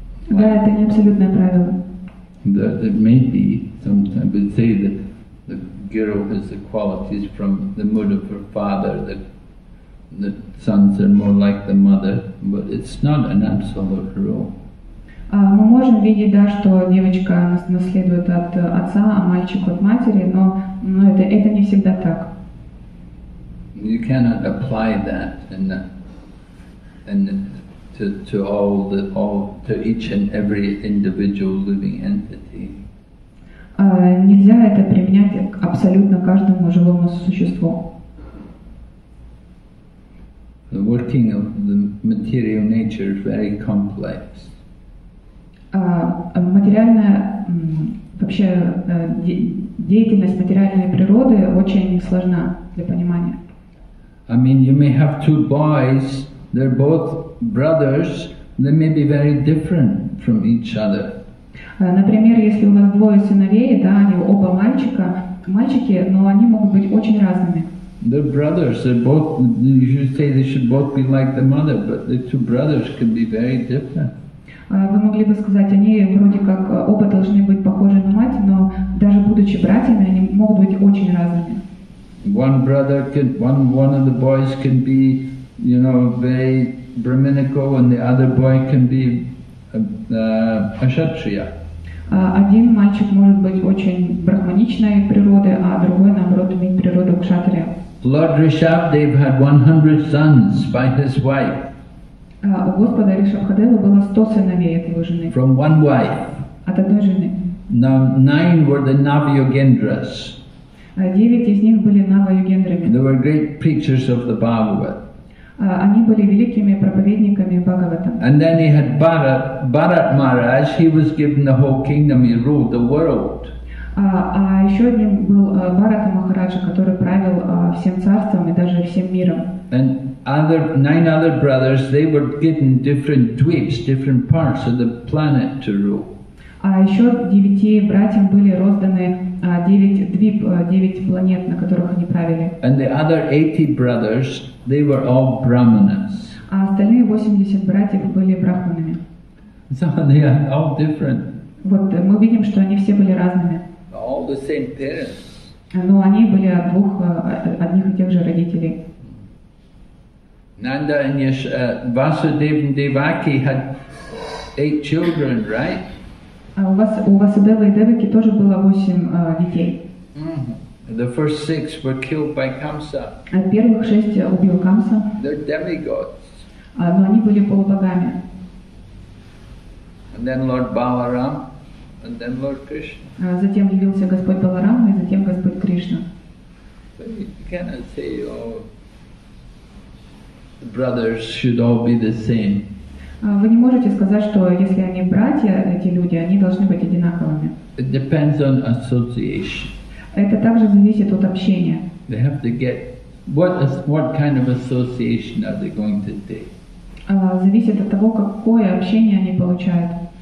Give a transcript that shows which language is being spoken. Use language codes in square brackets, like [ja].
[ru] Да, это не абсолютное правило. [en] That it may be sometimes, but say that the guru has the qualities from the mood of her father, that the sons are more like the mother, but it's not an absolute rule. [ru] Мы можем видеть, да, что девочка наследует от отца, а мальчик от матери, но это не всегда так. [en] You cannot apply that to all the all to each and every individual living entity. [ru] Нельзя это применять к абсолютно каждому живому существу. [en] The working of the material nature is very complex. [ru] Материальная вообще деятельность материальной природы очень сложна для понимания. [en] I mean, you may have two boys. They're both brothers, they may be very different from each other. [ru] Например, если у вас двое сыновей, да, они оба мальчика, мальчики, но они могут быть очень разными. [en] They're brothers, they're both, you should say they should both be like the mother, but the two brothers can be very different. [ru] Вы могли бы сказать, они вроде как оба должны быть похожи на мать, но даже будучи братьями, они могут быть очень разными. [en] One brother can, one of the boys can be, you know, very brahminical, and the other boy can be a kshatriya. [ru] Один мальчик может быть очень брахманичной природы, а другой, наоборот, иметь природу кшатрия. [en] Lord Rishabhdev had 100 sons by his wife. [ru] У Господа Ришабхадева было 100 сыновей от его жены. [en] From one wife. [ru] От одной жены. [en] Now 9 were the Navayogendras. [ru] 9 из них были Навайогендрами. [en] They were great preachers of the Bhagavad. [ru] Они были великими проповедниками Бхагаватам. [en] And then he had Bharat Maharaj, he was given the whole kingdom, he ruled the world. [ru] А еще одним был Bharata Maharaja, который правил всем царством и даже всем миром. [en] And other 9 other brothers, they were given different dweeps, different parts of the planet to rule. [ru] А еще 9 братьям были розданы 9 двип, 9 планет, на которых они правили. [en] And the other 80 brothers, they were all brahmanas. [ru] А остальные 80 братьев были брахманами. [en] So they are all different. [ru] Вот мы видим, что они все были разными. [en] All the same parents. [ru] Но они были от двух одних и тех же родителей. [en] Nanda and Vasudev and Devaki had 8 children, right? [ru] У Васудевы и Девики тоже было 8 детей. [en] The first 6 were killed by Kamsa. [ru] Первых 6 убил Камса. [en] They're demigods. [ru] Но они были полубогами. [en] And then Lord Balaram, and then Lord Krishna. [ru] Затем явился Господь Баларам и затем Господь Кришна. [en] But you cannot say, oh, the brothers should all be the same. [ru] Вы не можете сказать, что если они братья, эти люди, они должны быть одинаковыми. [en] It depends on association. [ru] Это также зависит от общения. [en] They have to get what kind of association are they going to take? [ru] Зависит от того, какое общение они получают.